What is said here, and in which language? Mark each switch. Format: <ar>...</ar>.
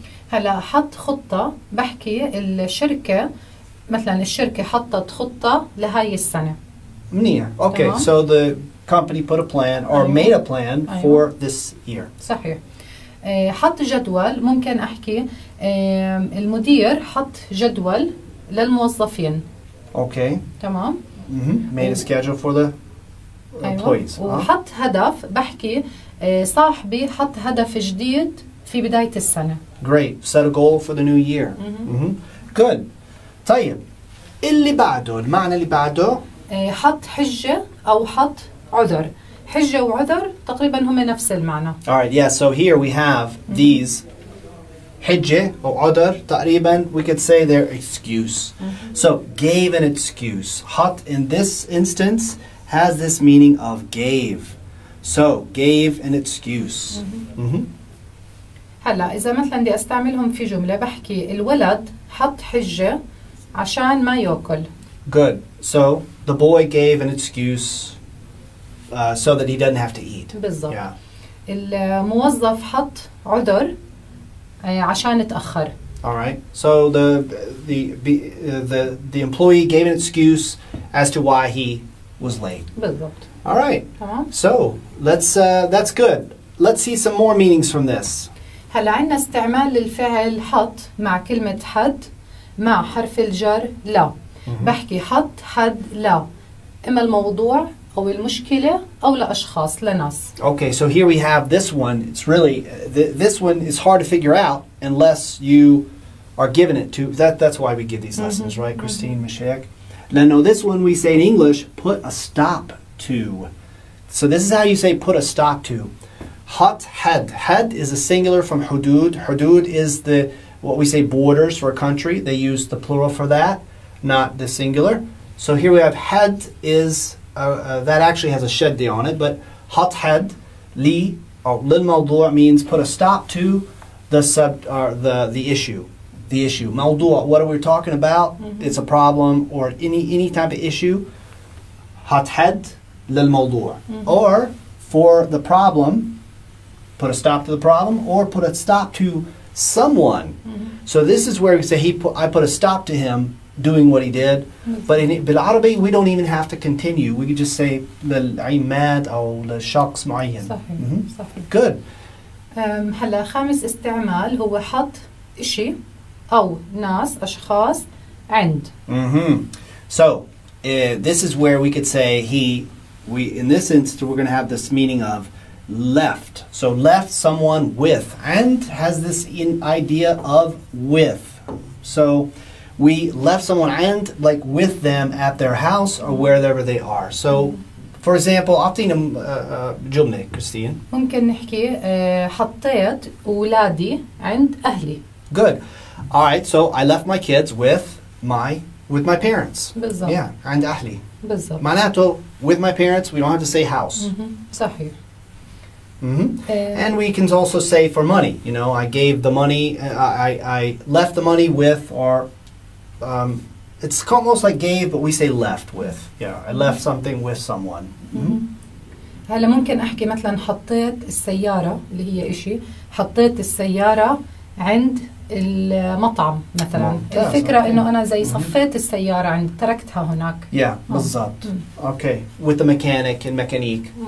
<ar>هلا حط خطة بحكي الشركة مثلا الشركة حطت خطة لهاي السنة. منيح.</ar> <en>Okay, so the company put a plan or made a plan for this year.</en> <ar>صحيح. حط جدول ممكن أحكي المدير حط جدول للموظفين.</ar> <en>Okay.</en> <ar>تمام.</ar> <en>Made a schedule for the employees.</en> <ar>وحط هدف بحكي صاحبي حط هدف جديد في بداية السنة.</ar> <en>Great. Set a goal for the new year. Good.</en> <ar>طيب. اللي بعده. المعنى اللي بعده. حط حجة أو حط عذر. حجة وعذر تقريبا هم نفس المعنى.</ar> <en>Alright. Yeah. So here we have these.</en> <ar>حجة أو عذر تقريبا.</ar> <en>We could say they're excuse. So gave an excuse. حط in this instance has this meaning of gave. So, gave an excuse.</en> <ar>هلا إذا مثلاً دي أستعملهم في جملة بحكي الولد حط حجة عشان ما يأكل.</ar> <en>Good. So, the boy gave an excuse so that he doesn't have to eat.</en> <ar>بالضبط. Yeah. الموظف حط عذر عشان تأخر.</ar> <en>All right. So, the employee gave an excuse as to why he was late.</en> <ar>بالضبط.</ar> <en>All right.</en> <ar>تمام.</ar> <en>So let's. That's good. Let's see some more meanings from this.</en> <ar>هلا عنا استعمال الفعل حط مع كلمة حد مع حرف الجر لا. بحكي حط حد لا. إما الموضوع أو المشكلة أو لأشخاص لناس.</ar> <en>Okay. So here we have this one. It's really this one is hard to figure out unless you are given it to. That's why we give these lessons, right, Christine Mashaik? Now, this one we say in English, put a stop to. So this is how you say put a stop to. Hut had. Had is a singular from hudud. Hudud is the what we say borders for a country. They use the plural for that, not the singular. So here we have had is that actually has a shaddi on it, but</en> <ar>حط حد لي للموضوع</ar> <en>means put a stop to the sub or the issue. The issue. موضوع, what are we talking about? Mm-hmm. It's a problem or any type of issue.</en> <ar>حط حد للموضوع. Mm-hmm.</ar> <en>Or for the problem, put a stop to the problem or put a stop to someone. Mm-hmm. So this is where we say I put a stop to him doing what he did. Mm-hmm. But in بالعربي we don't even have to continue. We could just say</en> <ar>للعماد أو للشخص معين. صحيح. Mm-hmm. صحيح.</ar> <en>Good.</en> <ar>هلا خامس استعمال هو حط إشي أو ناس أشخاص عند. Mm-hmm.</ar> <en>So this is where we could say in this instance we're going to have this meaning of left. So left someone with. And has this idea of with. So we left someone and like with them at their house or wherever they are. So for example,</en> <ar>أعطينا جملة</ar> <en>Christine.</en> <ar>ممكن نحكي حطيت أولادي عند أهلي.</ar> <en>Good. All right. So I left my kids with my parents.</en> <ar>بالضبط. Yeah. عند أهلي. بالضبط. معناته</ar> <en>with my parents, we don't have to say house.</en> <ar>صحيح. Mm-hmm.</ar> <en>And we can also say for money, you know, I gave the money, I left the money with, or it's almost like gave, but we say left with. Yeah, I left something with someone.</en> <ar>هلا ممكن أحكي مثلا حطيت السيارة اللي هي إشي حطيت السيارة عند المطعم مثلا الفكرة إنه أنا زي صفيت السيارة عند تركتها هناك.</ar> <en>Yeah, بالضبط. Okay, with the mechanic and mechanique.</en>